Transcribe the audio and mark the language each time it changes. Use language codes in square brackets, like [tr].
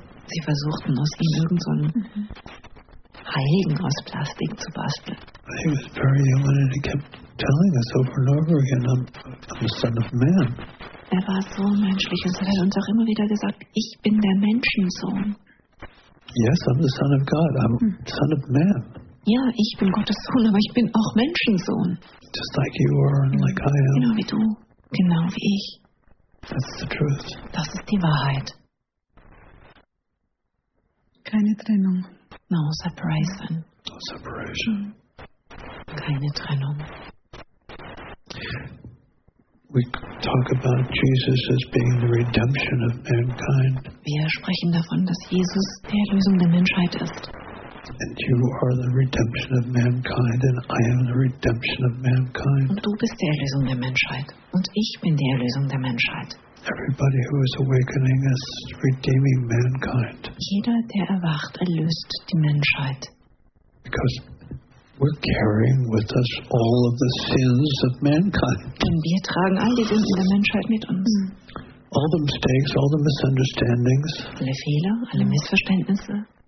[de] Sie versuchten, aus ihm irgendeinen Heiligen aus Plastik zu basteln. [en] He was very human and he kept telling us over and over again, I'm the son of man. [de] Er war so menschlich und hat uns auch immer wieder gesagt, ich bin der Menschensohn. [en] Yes, I'm the son of God, I'm the son of man. [de] Ja, ich bin Gottes Sohn, aber ich bin auch Menschensohn. [en] Just like you are and like I am. [de] Genau wie du, genau wie ich. [en] That's the truth. [de] Das ist die Wahrheit. Keine Trennung. [en] No separation. No separation. [de] Keine Trennung. [en] We talk about Jesus as being the redemption of mankind. [de] Wir sprechen davon, dass Jesus die Erlösung der Menschheit ist. [en] And you are the redemption of mankind, and I am the redemption of mankind. [de] Und du bist die Erlösung der Menschheit, und ich bin die Erlösung der Menschheit. [en] Everybody who is awakening is redeeming mankind. [de] Jeder, der erwacht, erlöst die Menschheit. [en] Because we're carrying with us all of the sins of mankind. [de] Denn wir tragen all die Sünden der Menschheit mit uns. [en] All the mistakes, all the misunderstandings. [de] Alle Fehler, alle Missverständnisse.